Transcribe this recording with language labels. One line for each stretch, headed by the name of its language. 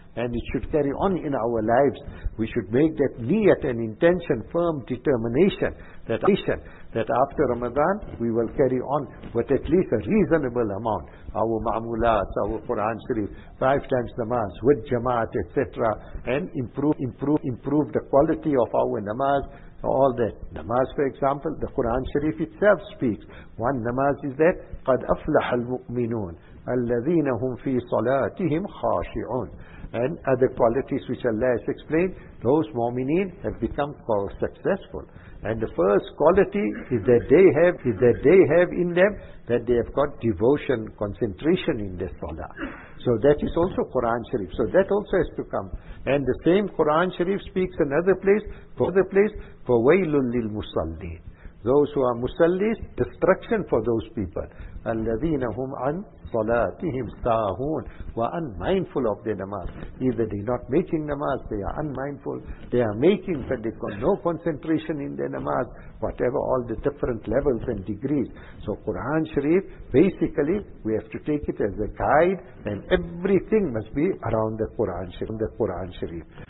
English: And it should carry on in our lives. We should make that niyat and intention, firm determination, that after Ramadan, we will carry on with at least a reasonable amount. Our ma'amulat, our Quran Sharif, five times namaz, with jamaat, etc. And improve the quality of our namaz, all that. Namaz, for example, the Quran Sharif itself speaks. One namaz is that,
Arabic: قَدْ أَفْلَحَ الْمُؤْمِنُونَ الَّذِينَ هُمْ فِي صَلَاتِهِمْ خَاشِعُونَ.
English: And other qualities which Allah has explained, those mu'mineen have become successful. And the first quality is that they have in them that they have got devotion, concentration in their salah. So that is also Quran Sharif. So that also has to come. And the same Quran Sharif speaks another place, for
Arabic: وَيْلٌ لِلْمُصَلِّينَ.
English: Those who are musallis, destruction for those people.
Arabic: الَّذِينَ هُمْ عَنْ صَلَاتِهِمْ سَاهُونَ وَأَنْ
English: mindful of their namaz. Either they are not making namaz, they are unmindful. They are making, but they got no concentration in their namaz. Whatever all the different levels and degrees. So Quran Sharif, basically, we have to take it as a guide. And everything must be around the Quran Sharif.